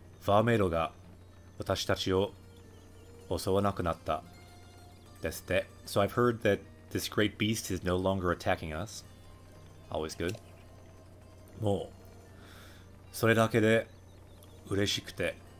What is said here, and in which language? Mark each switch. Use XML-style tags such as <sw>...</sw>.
<ja>ファーメイドが私たちを襲わなくなったですって。</ja> <en>So I've heard that this great beast is no longer attacking us. Always good.</en> <ja>もうそれだけで嬉しくて。</ja>